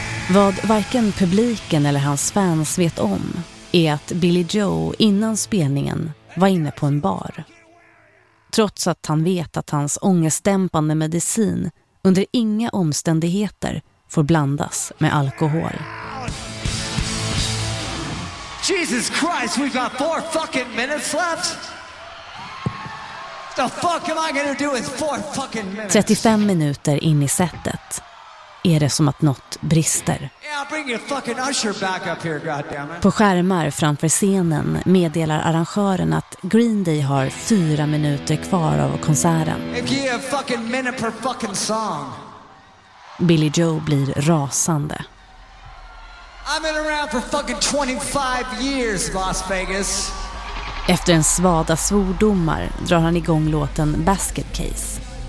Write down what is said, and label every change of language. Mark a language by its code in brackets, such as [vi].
[sv] Vad varken publiken eller hans fans vet om är att Billy Joe innan spelningen var inne på en bar. trots att han vet att hans ångestdämpande medicin under inga omständigheter får blandas med alkohol. [en] Jesus Christ, we've got 4 fucking minutes left. The fuck am I gonna do with 4 fucking minutes? [sv] 35 minuter in i setet är det som att något brister. [en] Yeah, bring your fucking usher back up here, goddammit. [sv] På skärmar framför scenen meddelar arrangören att Green Day har 4 minuter kvar av konserten. [en] If you have fucking minute per fucking song. [sv] Billy Joe blir rasande. [en] I've been around for fucking 25 years, Las Vegas. [sv] Efter en svada svordomar drar han igång låten Basket Case.